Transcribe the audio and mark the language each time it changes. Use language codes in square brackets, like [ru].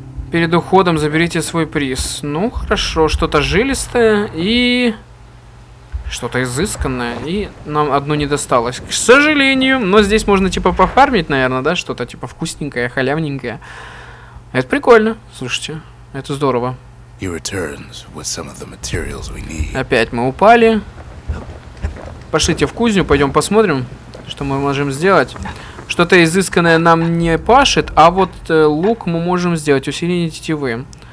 [ru] Перед уходом заберите свой приз. Ну, хорошо, что-то жилистое и... Что-то изысканное, и нам одну не досталось. К сожалению, но здесь можно типа пофармить, наверное, да? Что-то типа вкусненькое, халявненькое. Это прикольно, слушайте, это здорово. [en] He returns with some of the materials we need. [ru] Опять мы упали. Пошлите в кузню, пойдем посмотрим, что мы можем сделать. Что-то изысканное нам не пашет, а вот лук мы можем сделать. Усиление тетивы.